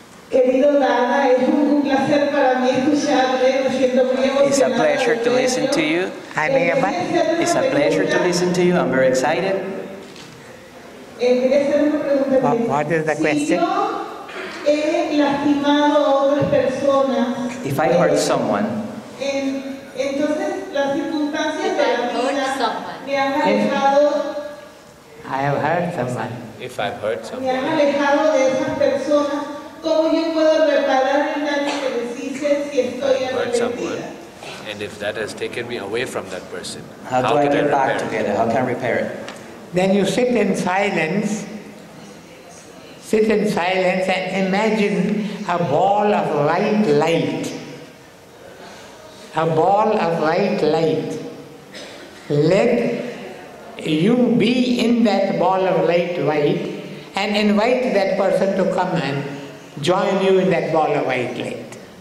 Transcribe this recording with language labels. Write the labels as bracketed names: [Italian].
[Spanish] Querido Dada, es un placer para mí escucharle. Me siento muy emocionado. [English] It's a pleasure to listen to you. Hi, Miguel. It's a pleasure to listen to you. I'm very excited. What is the question? [Spanish] He lastimado a otras personas. [English] If I hurt someone. If I've hurt someone. [Spanish] Me han alejado de esas personas. ¿Cómo yo puedo reparar el daño que les hice si estoy arrepentida? [English] And if that has taken me away from that person, How can I repair it? Then you sit in silence. Sit in silence and imagine a ball of white light. A ball of white light. Let you be in that ball of light, white, and invite that person to come and join you in that ball of white light.